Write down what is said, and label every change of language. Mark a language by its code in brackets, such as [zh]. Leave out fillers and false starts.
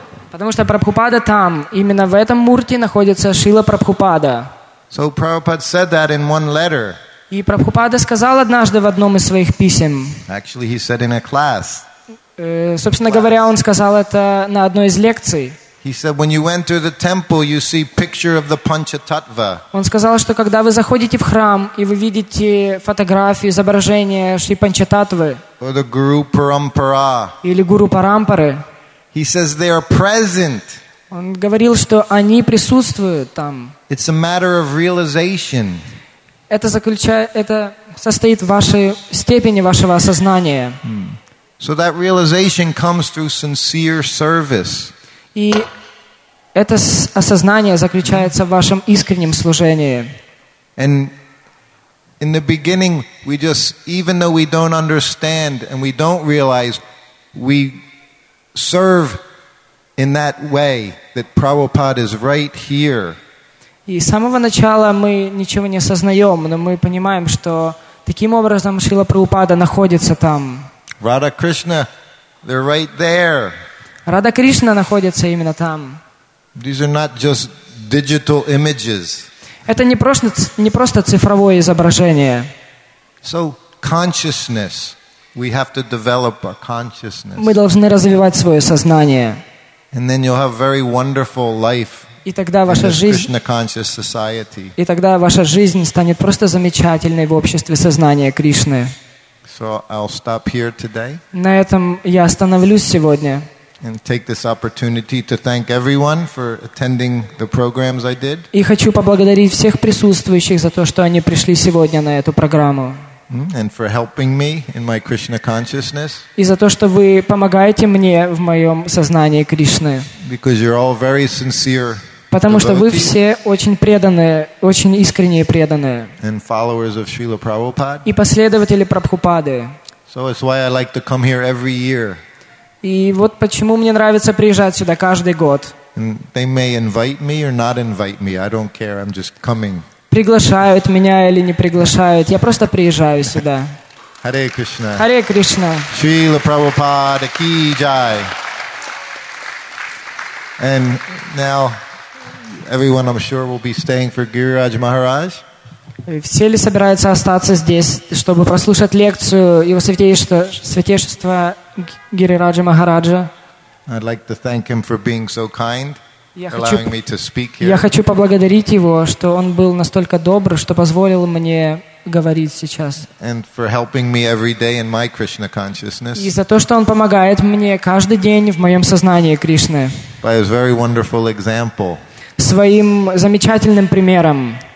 [ru] Потому что Прабхупада там. Именно в этом мурте находится Шрила Прабхупада. [en] So Prabhupada said that in one letter. [ru] И Прабхупада сказал однажды в одном из своих писем. [en] Actually, he said in a class. [ru] Собственно говоря, он сказал это на одной из лекций. [en] He said, when you enter the temple, you see picture of the Panchatattva. [ru] Он сказал, что когда вы заходите в храм и вы видите фотографию, изображение Шри Панчататвы. [en] Or the Guru Parampara. [ru] Или Гуру Парампары. [en] He says they are present. [ru] Он говорил, что они присутствуют там. [en] It's a matter of realization. [ru] Это состоит в вашей степени вашего осознания. [en] So that realization comes through sincere service. [ru] И это осознание заключается в вашем искреннем служении. [en] And in the beginning, we just, even though we don't understand and we don't realize, we serve in that way that Prabhupada is right here. [ru] И с самого начала мы ничего не осознаем, но мы понимаем, что таким образом Шрила Прабхупада находится там. [en] Radha Krishna, they're right there. [ru] Радха Кришна находится именно там. [en] These are not just digital images. [ru] Это не просто цифровое изображение. [en] So consciousness, we have to develop our consciousness. [ru] Мы должны развивать свое сознание. [en] And then you'll have very wonderful life. [ru] И тогда ваша жизнь. [en] Krishna-conscious society. [ru] И тогда ваша жизнь станет просто замечательной в обществе сознания Кришны. [en] So I'll stop here today. [ru] На этом я остановлюсь сегодня. [en] And take this opportunity to thank everyone for attending the programs I did. [ru] И хочу поблагодарить всех присутствующих за то, что они пришли сегодня на эту программу. [en] And for helping me in my Krishna consciousness. [ru] И за то, что вы помогаете мне в моем сознании Кришны. [en] Because you're all very sincere. [ru] Потому что вы все очень преданные, очень искренние преданные. [en] And followers of Srila Prabhupada. [ru] И последователи Прабхупады. [en] So it's why I like to come here every year. [ru] И вот почему мне нравится приезжать сюда каждый год. [en] They may invite me or not invite me. I don't care. I'm just coming. [ru] Приглашают меня или не приглашают. Я просто приезжаю сюда. [sa] Hare Krishna. Hare Krishna. [hi] Srila Prabhupada ki jai. [en] And now everyone, I'm sure, will be staying for Giriraj Maharaj. [ru] Все ли собираются остаться здесь, чтобы прослушать лекцию Его Святейшества Гирираджа Махараджа? [en] I'd like to thank him for being so kind, allowing me to speak here. [ru] Я хочу поблагодарить его, что он был настолько добр, что позволил мне говорить сейчас. [en] And for helping me every day in my Krishna consciousness. [ru] И за то, что он помогает мне каждый день в моем сознании Кришны. [en] By his very wonderful example. [ru] Своим замечательным примером.